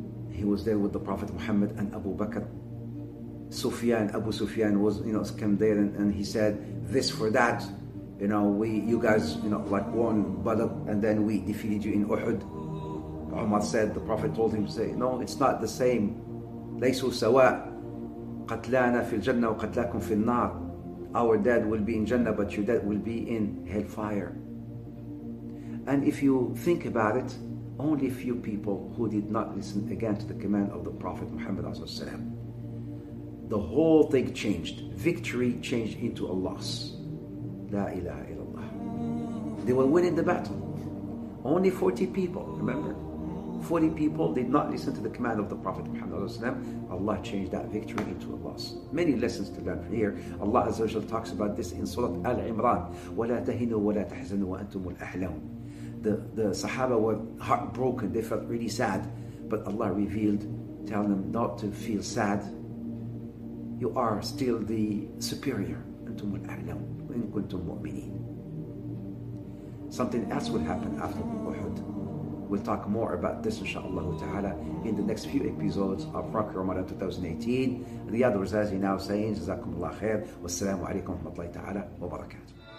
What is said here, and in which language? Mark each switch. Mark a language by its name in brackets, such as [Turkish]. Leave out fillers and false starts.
[English] He was there with the Prophet Muhammad and Abu Bakr. Sufyan, Abu Sufyan was, you know, came there and he said, this for that, you know, you guys won Badr and then we defeated you in Uhud. Umar said, the Prophet told him, say, no, it's not the same. [Arabic] ليسوا سواء قتلانا في الجنة وقتلاكم في النار. [English] Our dead will be in Jannah, but your dead will be in hellfire. And if you think about it, only few people who did not listen again to the command of the Prophet Muhammad ﷺ. The whole thing changed. Victory changed into a loss. La ilaha illallah. They were winning the battle. Only 40 people, remember? 40 people did not listen to the command of the Prophet Muhammad ﷺ. Allah changed that victory into a loss. Many lessons to learn here. Allah Azza wa Jalla talks about this in Surah Al-Imran. [Arabic] وَلَا تَهِنُوا وَلَا تَحْزَنُوا وَأَنْتُمُ الْأَحْلَوْنَ. [English] The Sahaba were heartbroken. They felt really sad. But Allah revealed, telling them not to feel sad. You are still the superior. [Arabic] أنتم الأعلم وإن كنتم مؤمنين. [English] Something else will happen after Uhud. We'll talk more about this, inshallah ta'ala, in the next few episodes of Rocky Ramadan 2018. Riyad Razazi now saying, [Arabic] جزاكم الله خير. والسلام عليكم ورحمة الله تعالى وبركاته.